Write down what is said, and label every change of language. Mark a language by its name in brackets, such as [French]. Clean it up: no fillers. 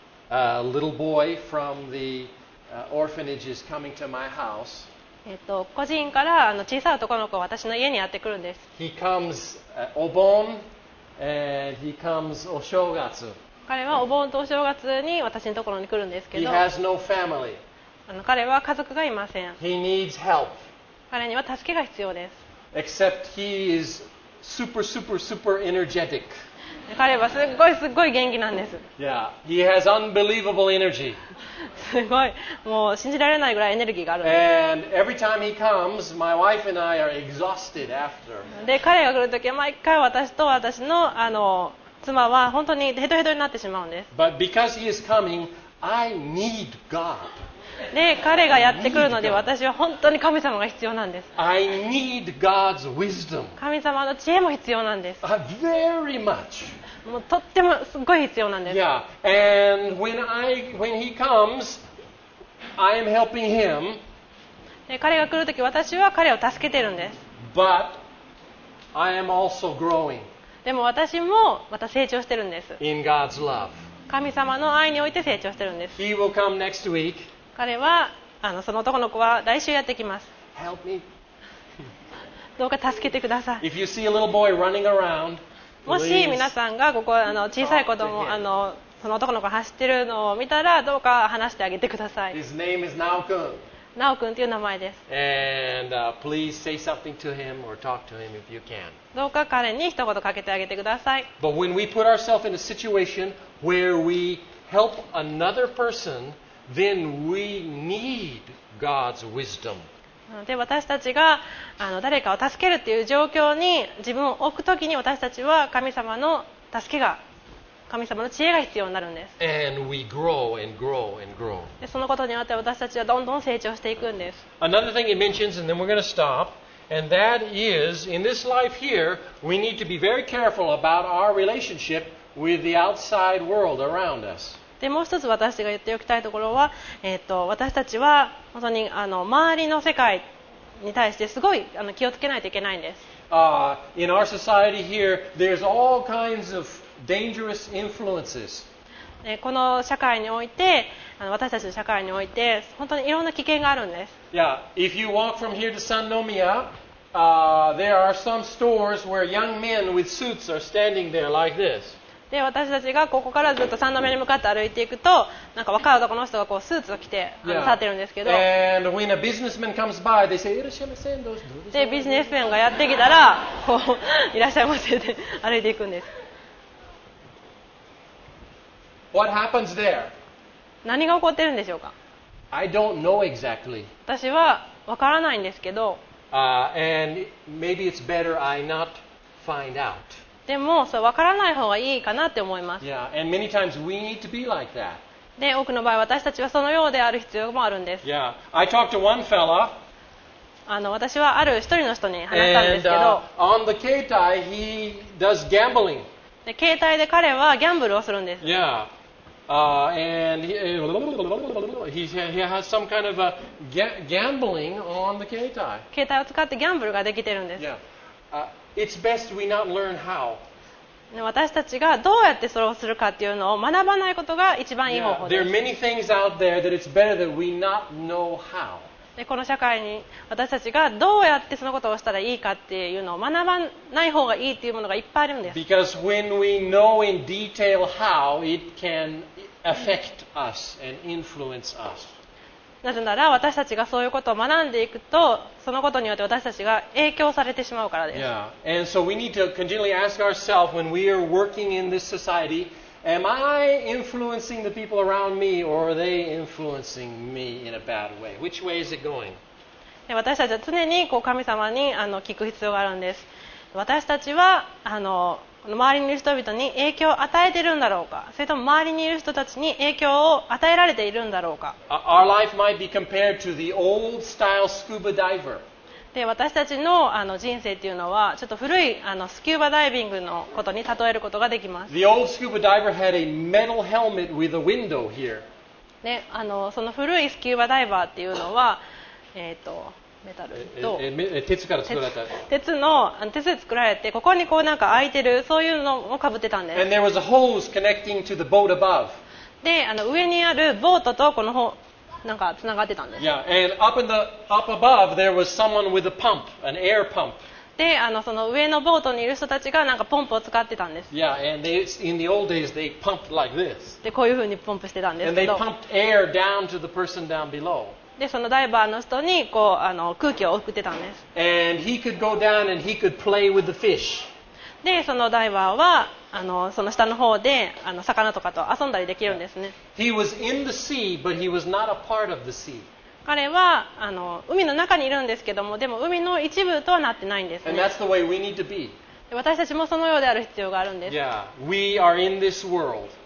[English] a little boy from the orphanage is coming to my house. [Japanese] 個人から小さい男の子は私の家にやってくるんです。 [English] He comes お盆 and he comes お正月。 [Japanese] 彼はお盆とお正月に私のところに来るんですけど。 [English] He has no family. [Japanese] 彼は家族がいません。 [English] He needs help. [Japanese] 彼には助けが必要です。 [English] Except he is super super super energetic. [Japanese] 彼はすごいすごい元気なんです。 [English] Yeah, he has unbelievable energy. [Japanese] すごい、もう信じられないぐらいエネルギーがあるんです。 [English] And every time he comes, my wife and I are exhausted after. [Japanese] で、彼が来るときは毎回私と私の妻は本当にヘトヘトになってしまうんです。 [English] But because he is coming, I need God. [Japanese] で、彼がやってくるので私は本当に神様が必要なんです。 [English] I need God's wisdom. [Japanese] 神様の知恵も必要なんです。 [English] Very much. [Japanese] もうとってもすごい必要なんです。 [English] Yeah. And when he comes, I am helping him. [Japanese] で、彼が来るとき私は彼を助けてるんです。 [English] But I am also growing. [Japanese] でも私もまた成長してるんです。 [English] In God's love. [Japanese] 神様の愛において成長してるんです。 [English] He will come next week. [Japanese] 彼はその男の子は来週やってきます。 [English] Help me. [Japanese] どうか助けてください。 [English] If you see a little boy running around, [Japanese] もし皆さんがここ小さい子供その男の子走ってるのを見たらどうか話してあげてください。 [English] His name is Nao-kun. [Japanese] Nao-kun という名前です。 [English] And please say something to him or talk to him if you can. [Japanese] どうか彼に一言かけてあげてください。 [English] But when we put ourselves in a situation where we help another person,Then we need God's wisdom. [Japanese] で私たちが誰かを助けるっていう状況に自分を置くときに私たちは神様の助けが神様の知恵が必要になるんです。 [English] And we grow and grow and grow. [Japanese] でそのことによって私たちはどんどん成長していくんです。 [English] Another thing it mentions, and then we're going to stop, and that is in this life here, we need to be very careful about our relationship with the outside world around us. [Japanese] でもう一つ私が言っておきたいところは、私たちは本当に周りの世界に対してすごい気をつけないといけないんです。 [English] In our society here, there's all kinds of dangerous influences. [Japanese] この社会において、私たちの社会において本当にいろんな危険があるんです。 [English] Yeah, if you walk from here to Sannomiya, there are some stores where young men with suits are standing there like this. [Japanese] で私たちがここからずっと三度目に向かって歩いていくとなんか若い男の人がこうスーツを着て立ってるんですけど、 [English] And when a businessman comes by, they say, [Japanese] いらっしゃいませんどうぞ。でビジネスマンがやってきたらこういらっしゃいませって歩いていくんです。 [English] What happens there? [Japanese] 何が起こってるんでしょうか。 [English] I don't know exactly. [Japanese] 私はわからないんですけど、 [English] And maybe it's better I not find out. [Japanese] でもそう分からない方がいいかなって思います。 [English] Yeah, and many times we need to be like that. [Japanese] で多くの場合私たちはそのようである必要もあるんです。 [English] Yeah, I talked to one fella. [Japanese] 私はある一人の人に話したんですけど。 [English] And on the 携帯 he does gambling. [Japanese] で携帯で彼はギャンブルをするんです。 [English] Yeah, and he has some kind of a gambling on the [Japanese] 携帯を使ってギャンブルができてるんです。 [English] Yeah. It's best we not learn how. [Japanese] 私たちがどうやってそれをするかっていうのを学ばないことが一番いい方法です。 [English] Yeah, there are many things out there that it's better that we not know how. [Japanese] でこの社会に私たちがどうやってそのことをしたらいいかっていうのを学ばない方がいいっていうものがいっぱいあるんです。 [English] Because when we know in detail how, it can affect us and influence us. [Japanese] なぜなら私たちがそういうことを学んでいくとそのことによって私たちが影響されてしまうからです。 [English] Yeah. And so we need to continually ask ourselves when we are working in this society, am I influencing the people around me or are they influencing me in a bad way? Which way is it going? [Japanese] 私たちは常にこう神様に聞く必要があるんです。私たちはこの周りにいる人々に影響を与えているんだろうか、それとも周りにいる人たちに影響を与えられているんだろうか。 [English] Our life might be compared to the old style scuba diver. [Japanese] で私たち の, 人生というのはちょっと古いスキューバダイビングのことに例えることができます。 [English] The old scuba diver had a metal helmet with a window here. [Japanese] でその古いスキューバダイバーというのはメタルと鉄から作られた鉄で作られてここにこうなんか空いてるそういうのをかぶってたんです。 [English] And there was a hose connecting to the boat above. [Japanese] で上にあるボートとこのほうなんかつながってたんです。 [English] Yeah, and up, in the, up above there was someone with a pump, an air pump. [Japanese] でその上のボートにいる人たちがなんかポンプを使ってたんです。 [English] Yeah, and they, in the old days they pumped like this. [Japanese] でこういうふうにポンプしてたんですけど [English] And they pumped air down to the person down below. [Japanese] でそのダイバーの人にこう空気を送ってたんです。 [English] And he could go down and he could play with the fish. [Japanese] でそのダイバーはその下の方で魚とかと遊んだりできるんですね。 [English] He was in the sea, but he was not a part of the sea. [Japanese] 彼は海の中にいるんですけどもでも海の一部とはなってないんですね。 [English] And that's the way we need to be. [Japanese] 私たちもそのようである必要があるんです。 [English] Yeah, we are in this world.